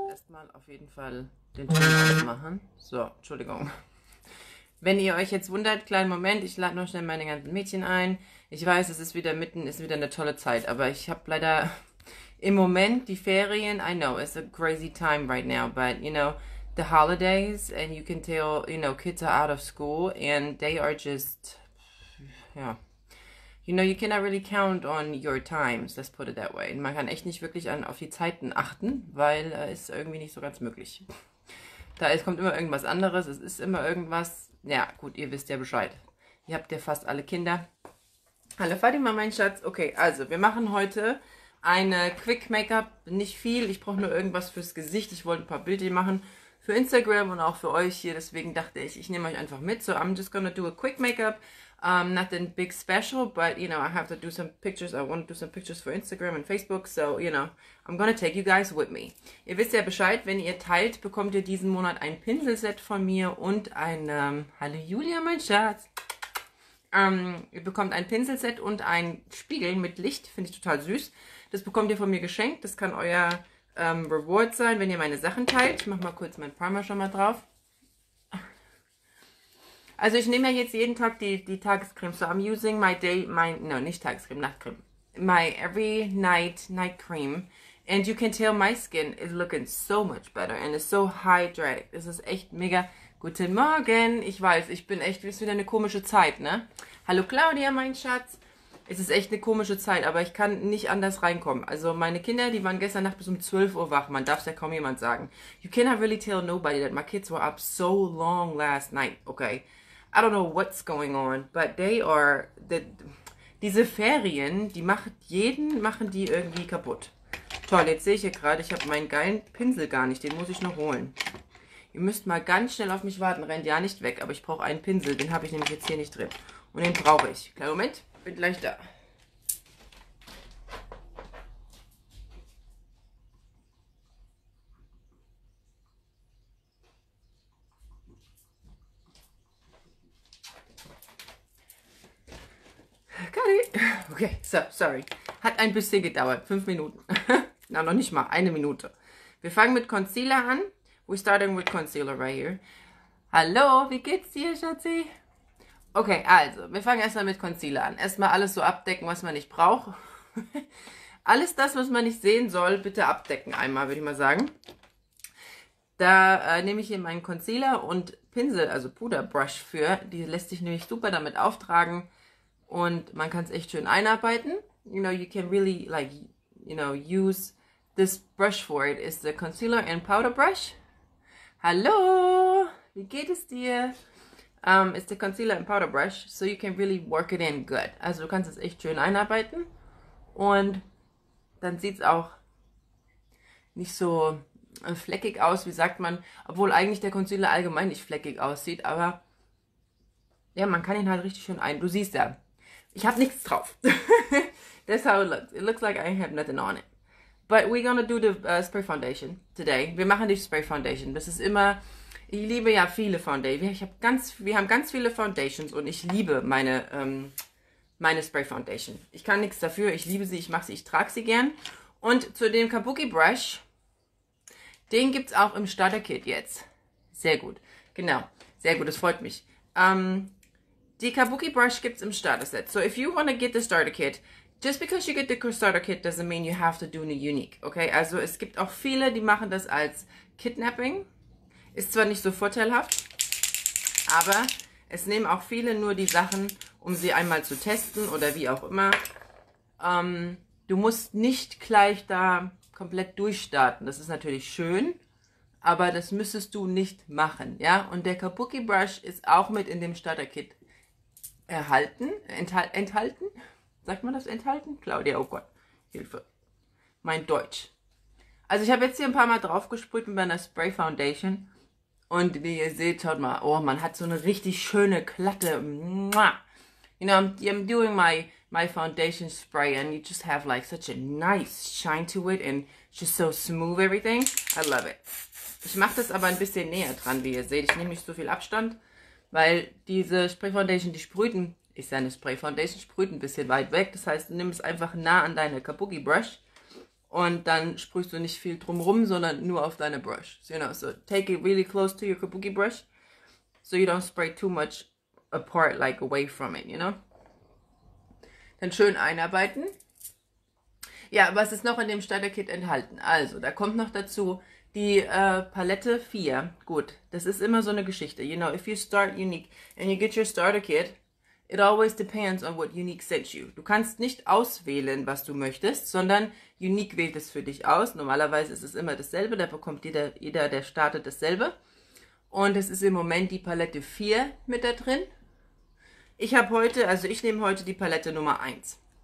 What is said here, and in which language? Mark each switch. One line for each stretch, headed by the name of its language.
German: Mal auf jeden Fall den Ton ausmachen. So, Entschuldigung. Wenn ihr euch jetzt wundert, kleinen Moment, ich lade noch schnell meine ganzen Mädchen ein. Ich weiß, es ist wieder mitten, ist wieder eine tolle Zeit, aber ich habe leider im Moment die Ferien.
English: I know, it's a crazy time right now, but you know, the holidays and you can tell, you know, kids are out of school and they are just, yeah. You know, you cannot really count on your times, let's put it that way.
German: Man kann echt nicht wirklich auf die Zeiten achten, weil es irgendwie nicht so ganz möglich. Da es kommt immer irgendwas anderes, es ist immer irgendwas. Ja, gut, ihr wisst ja Bescheid. Ihr habt ja fast alle Kinder. Hallo Fatima, mein Schatz. Okay, also wir machen heute eine Quick Make-up. Nicht viel, ich brauche nur irgendwas fürs Gesicht. Ich wollte ein paar Bilder machen für Instagram und auch für euch hier. Deswegen dachte ich, ich nehme euch einfach mit.
English: So, I'm just gonna do a quick make-up. Nothing big special, but you know, I have to do some pictures. I want to do some pictures for Instagram and Facebook. So, you know, I'm gonna take you guys with me.
German: Ihr wisst ja Bescheid, wenn ihr teilt, bekommt ihr diesen Monat ein Pinselset von mir und ein, hallo Julia, mein Schatz. Ihr bekommt ein Pinselset und ein Spiegel mit Licht. Finde ich total süß. Das bekommt ihr von mir geschenkt. Das kann euer, Reward sein, wenn ihr meine Sachen teilt. Ich mach mal kurz meinen Primer schon mal drauf. Also ich nehme ja jetzt jeden Tag die Tagescreme.
English: So I'm using Nachtcreme. My every night cream. And you can tell my skin is looking so much better and is so hydrated.
German: Es ist echt mega. Guten Morgen. Ich weiß, ich bin echt, es ist wieder eine komische Zeit, ne? Hallo Claudia, mein Schatz. Es ist echt eine komische Zeit, aber ich kann nicht anders reinkommen. Also meine Kinder, die waren gestern Nacht bis um 12 Uhr wach. Man darf es ja kaum jemand sagen.
English: You cannot really tell nobody that my kids were up so long last night, okay? I don't know what's going on, but they are...
German: diese Ferien, die machen die irgendwie kaputt. Toll, jetzt sehe ich hier gerade, ich habe meinen geilen Pinsel gar nicht. Den muss ich noch holen. Ihr müsst mal ganz schnell auf mich warten. Rennt ja nicht weg, aber ich brauche einen Pinsel. Den habe ich nämlich jetzt hier nicht drin. Und den brauche ich. Kleinen Moment. Bin gleich da. Kari! Okay, so, sorry. Hat ein bisschen gedauert. 5 Minuten. Na, noch nicht mal. 1 Minute. Wir fangen mit Concealer an.
English: We're starting with concealer right here.
German: Hallo, wie geht's dir, Schatzi? Okay, also, wir fangen erstmal mit Concealer an. Erstmal alles so abdecken, was man nicht braucht. Alles das, was man nicht sehen soll, bitte abdecken einmal, würde ich mal sagen. Da nehme ich hier meinen Concealer und Pinsel, also Puderbrush für. Die lässt sich nämlich super damit auftragen und man kann es echt schön einarbeiten.
English: You know, you can really, like, you know, use this brush for it. It's the Concealer and Powder Brush.
German: Hallo, wie geht es dir?
English: It's the Concealer and Powder Brush, so you can really work it in good.
German: Also du kannst es echt schön einarbeiten und dann sieht es auch nicht so fleckig aus, wie sagt man, obwohl eigentlich der Concealer allgemein nicht fleckig aussieht, aber ja, man kann ihn halt richtig schön ein. Du siehst ja, ich habe nichts drauf.
English: That's how it looks. It looks like I have nothing on it. But we're gonna do the spray foundation today.
German: Wir machen die Spray Foundation. Das ist immer... Ich liebe ja viele Foundations. Wir haben ganz viele Foundations und ich liebe meine Spray Foundation. Ich kann nichts dafür. Ich liebe sie, ich mache sie, ich trage sie gern. Und zu dem Kabuki Brush, den gibt es auch im Starter Kit jetzt. Sehr gut. Genau. Sehr gut, das freut mich. Die Kabuki Brush gibt es im Starter Set.
English: So if you want to get the Starter Kit, just because you get the Starter Kit doesn't mean you have to do the Unique.
German: Okay, also es gibt auch viele, die machen das als Kidnapping. Ist zwar nicht so vorteilhaft, aber es nehmen auch viele nur die Sachen, um sie einmal zu testen oder wie auch immer. Du musst nicht gleich da komplett durchstarten. Das ist natürlich schön, aber das müsstest du nicht machen. Ja? Und der Kabuki Brush ist auch mit in dem Starter-Kit enthalten. Sagt man das enthalten? Claudia, oh Gott, Hilfe. Mein Deutsch. Also ich habe jetzt hier ein paar Mal draufgesprüht mit meiner Spray Foundation. Und wie ihr seht, schaut mal, oh, man hat so eine richtig schöne Klatte.
English: You know, I'm doing my foundation spray and you just have like such a nice shine to it and just so smooth everything. I love it.
German: Ich mache das aber ein bisschen näher dran, wie ihr seht. Ich nehme nicht so viel Abstand, weil diese Spray Foundation, die sprühten, ist ja eine Spray Foundation, sprüht ein bisschen weit weg. Das heißt, nimm es einfach nah an deine Kabuki Brush. Und dann sprühst du nicht viel drumrum, sondern nur auf deine Brush.
English: So, you know, so take it really close to your kabuki brush, so you don't spray too much apart, like away from it, you know?
German: Dann schön einarbeiten. Ja, was ist noch in dem Starter-Kit enthalten? Also, da kommt noch dazu die Palette 4. Gut, das ist immer so eine Geschichte.
English: You know, if you start Unique and you get your Starter-Kit, it always depends on what Unique sent you.
German: Du kannst nicht auswählen, was du möchtest, sondern Unique wählt es für dich aus. Normalerweise ist es immer dasselbe. Da bekommt jeder, der startet, dasselbe. Und es ist im Moment die Palette 4 mit da drin. Ich nehme heute die Palette Nummer 1.